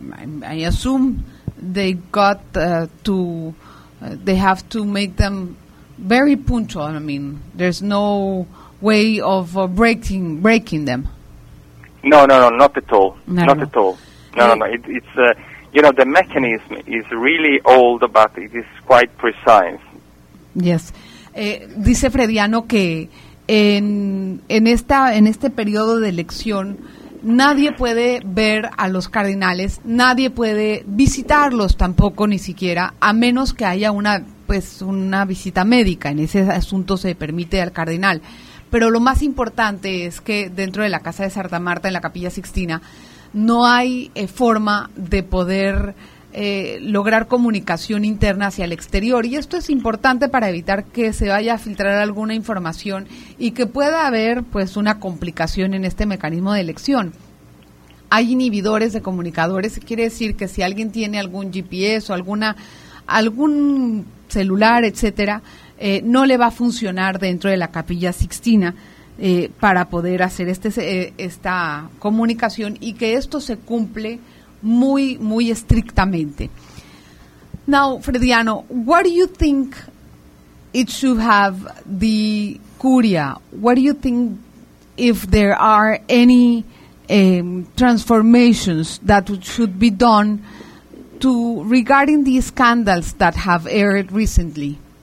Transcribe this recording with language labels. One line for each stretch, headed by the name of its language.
English: And I assume they got they have to make them very punctual. I mean, there's no way of breaking them. No, not at all. No. It's you know, the mechanism is really old, but it is quite precise. Yes.
Spanish: Dice Frediano que en este periodo de elección nadie puede ver a los cardinales, nadie puede visitarlos tampoco, ni siquiera, a menos que haya una visita médica. En ese asunto se permite al cardenal. Pero lo más importante es que dentro de la Casa de Santa Marta, en la Capilla Sixtina, no hay forma de poder lograr comunicación interna hacia el exterior. Y esto es importante para evitar que se vaya a filtrar alguna información y que pueda haber pues una complicación en este mecanismo de elección. Hay inhibidores de comunicadores, quiere decir que si alguien tiene algún GPS o algún celular, etcétera, no le va a funcionar dentro de la Capilla Sixtina para poder hacer esta comunicación, y que esto se cumple muy, muy estrictamente.
English: Now, Frediano, what do you think it should have the Curia? What do you think if there are any transformations that should be done regarding the scandals that have aired recently?